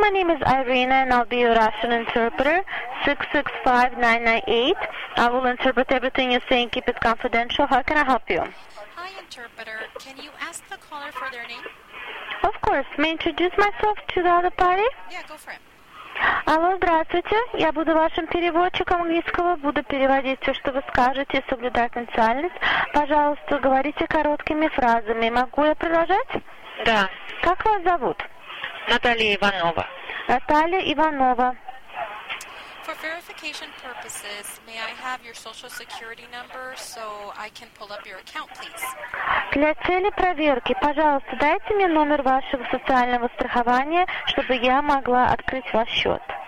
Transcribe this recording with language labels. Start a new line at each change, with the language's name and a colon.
English: My name is Irina, and I'll be your Russian interpreter. 665-998. I will interpret everything you're saying. Keep it confidential. How can I help you? Hi, interpreter. Can you ask the caller for their name? Of course. May I introduce myself to the other party? Yeah, go for it.
Russian: Алло, здравствуйте. Я буду вашим переводчиком английского. Буду переводить все, что вы скажете, соблюдая конфиденциальность. Пожалуйста, говорите короткими фразами. Могу я продолжать? Да. Как вас зовут? Наталья Иванова. Наталья Иванова.
English: For verification purposes, may I have your social security number so I can pull up your account, please?
Russian: Для цели проверки, пожалуйста, дайте мне номер вашего социального страхования, чтобы я могла открыть ваш счет.